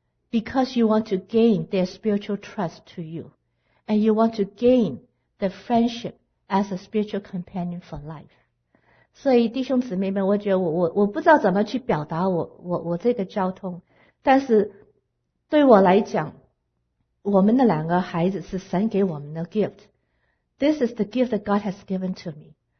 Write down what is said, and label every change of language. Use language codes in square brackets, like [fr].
[en] Because you want to gain their spiritual trust to you, and you want to gain the friendship as a spiritual companion for life. [zh] 所以弟兄姊妹们，我觉得我不知道怎么去表达我这个交通，但是对我来讲，我们的两个孩子是神给我们的 gift. [en] This is the gift that God has given to me.